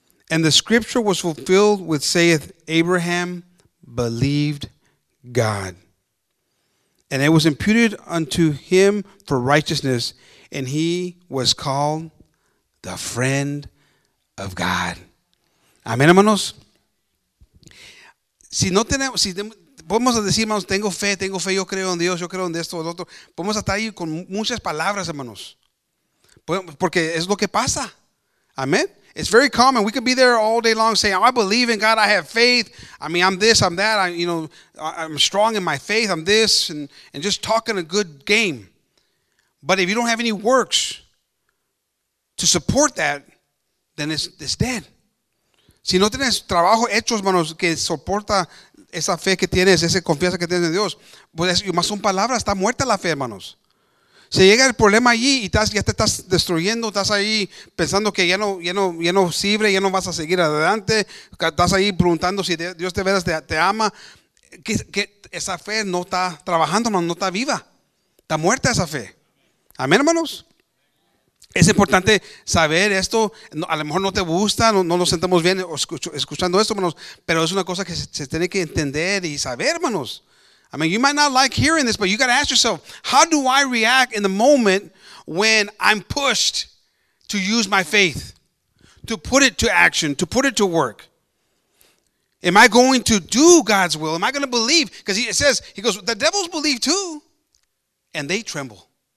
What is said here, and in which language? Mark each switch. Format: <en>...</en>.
<en>And the scripture was fulfilled which saith, Abraham believed God, and it was imputed unto him for righteousness, and he was called the friend of God.</en> <es>Amén, hermanos. Si no tenemos, si podemos decir, hermanos, tengo fe, yo creo en Dios, yo creo en esto, en lo otro. Podemos estar ahí con muchas palabras, hermanos. Porque es lo que pasa. Amén.</es> <en>It's very common. We could be there all day long saying, oh, I believe in God, I have faith. I mean, I'm this, I'm that. I'm strong in my faith, I'm this. And just talking a good game. But if you don't have any works to support that, then it's dead.</en> <es>Si no tienes trabajo hecho, hermanos, que soporta esa fe que tienes, esa confianza que tienes en Dios, pues es, más son palabras, está muerta la fe, hermanos. Si llega el problema allí y estás, ya te estás destruyendo, estás ahí pensando que ya no sirve, ya no vas a seguir adelante, estás ahí preguntando si Dios de veras te ama, que esa fe no está trabajando, hermanos, no está viva. Está muerta esa fe. Amén, hermanos. Es importante saber esto. A lo mejor no te gusta, no nos sentamos bien escuchando esto, hermanos. Pero es una cosa que se tiene que entender y saber, hermanos.</es> <en>I mean, you might not like hearing this, but you got to ask yourself, how do I react in the moment when I'm pushed to use my faith, to put it to action, to put it to work? Am I going to do God's will? Am I going to believe? Because he goes, the devils believe too, and they tremble.</en>